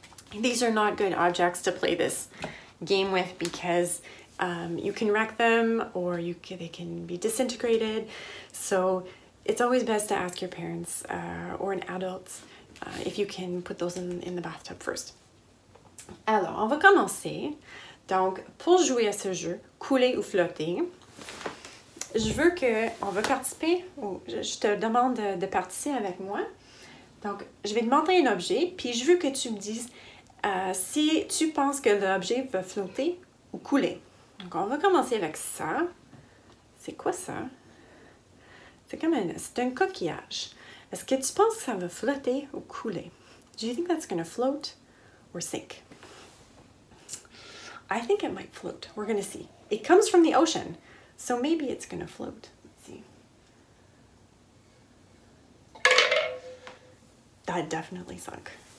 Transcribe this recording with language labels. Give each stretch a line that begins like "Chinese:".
English: These are not good objects to play this game with because you can wreck them or they can be disintegrated. So it's always best to ask your parents or an adult if you can put those in the bathtub first.
French: Alors, on va commencer. Donc, pour jouer à ce jeu, couler ou flotter, je veux que, on va participer, ou je te demande de participer avec moi. Donc, je vais demander un objet, puis je veux que tu me dises si tu penses que l'objet va flotter ou couler. Donc, on va commencer avec ça. C'est quoi ça? C'est un coquillage. Est-ce que tu penses que ça va flotter ou couler?
English: Do you think that's going to float or sink? I think it might float. We're going to see. It comes from the ocean, so maybe it's going to float. Let's see. That definitely sunk.